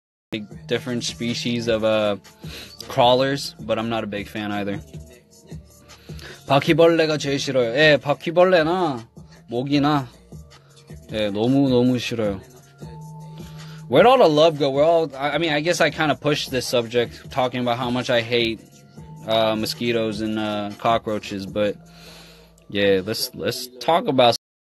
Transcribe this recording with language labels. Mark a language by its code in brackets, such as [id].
[en] the different species of crawlers, but I'm not a big fan either. [ko] 바퀴벌레가 제일 싫어요. 예, 바퀴벌레나 모기나 예, 너무 너무 싫어요. [en] Where'd all the love go? We're all, I mean, I guess I kind of pushed this subject, talking about how much I hate mosquitoes and cockroaches, but yeah, let's talk about